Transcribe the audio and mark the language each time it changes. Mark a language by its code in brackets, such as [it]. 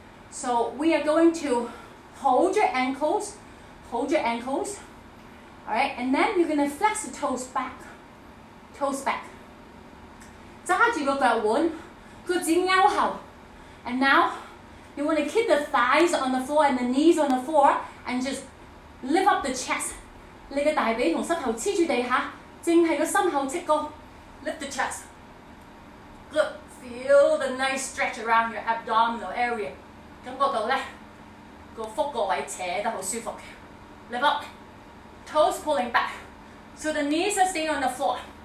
[en] So we are going to hold your ankles, all right, and then you're gonna flex the toes back. [yue] 扎住个脚腕，脚尖勾后, [en] and now you wanna keep the thighs on the floor and the knees on the floor, and just lift up the chest. [yue] 你嘅大髀同膝头黐住地下，正系个心口戚高. [en] Lift the chest. Good. Feel the nice stretch around your abdominal area. [yue] 感觉到咧个腹个位扯得好舒服嘅. [en] Lift up. Toes pulling back. So the knees are staying on the floor.